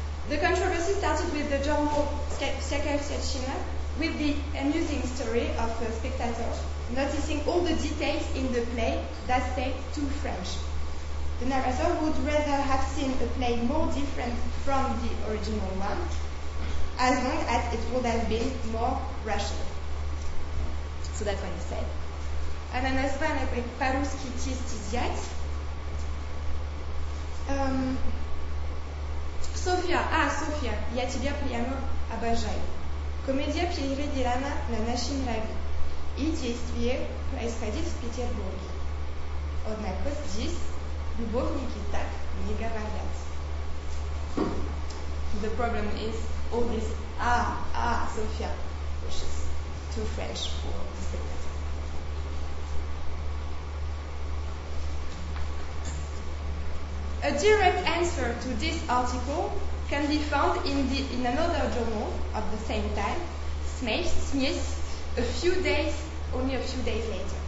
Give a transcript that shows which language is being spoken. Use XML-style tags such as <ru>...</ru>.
<en>The controversy started with the journal Vsekhovsyachina, with the amusing story of a spectator noticing all the details in the play that state too French. The narrator would rather have seen a play more different from the original one, as long as it would have been more Russian. So that's what he said.</en> <ru>Она названа по-русски «Тест изъять». Sophia, ah Sophia, я тебя прямо обожаю. Комедия переведена на наш язык. И действие происходит в Петербурге. Однако здесь любовники так не говорят.</ru> <en>The problem is always Sophia, which is too French for the spectator. A direct answer to this article can be found in another journal of the same time, Smith, a few days later.</en>